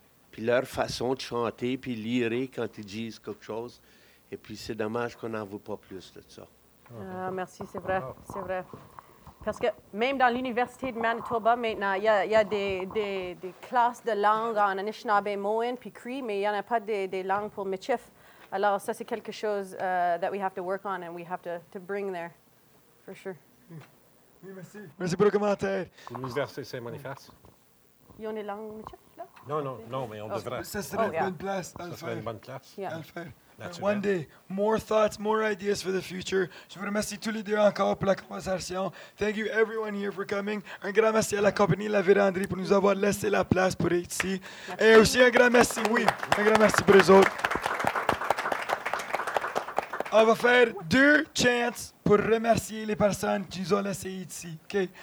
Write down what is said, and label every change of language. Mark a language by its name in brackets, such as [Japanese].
[French] Puis leur façon de chanter, puis lire quand ils disent quelque chose. Et puis, c'est dommage qu'on n'en voit pas plus de ça. Ah, merci, c'est vrai, c'est vrai. Parce que même dans l'Université de Manitoba maintenant, il y a des classes de langue en Anishinaabe, Mohin, puis Cree, mais il n'y en a pas des langues pour Michif. Alors ça, c'est quelque chose [English] that we have to work on and we have to bring there, for sure. [French] Oui, merci. Merci pour le commentaire. L'Université Saint-Boniface. Il y a des langues Michif, là? Non, mais on devrait. Ça serait une bonne place. Ça serait une bonne place. [English] Yeah. One day, more thoughts, more ideas for the future. [French] Je vous remercie tous les deux encore pour la conversation. [English] Thank you everyone here for coming. [French] Un grand merci à la compagnie La Véranderie pour nous avoir laissé la place pour être ici. Et aussi un grand merci, oui, un grand merci pour les autres. On va faire deux chances pour remercier les personnes qui nous ont laissé ici. Okay?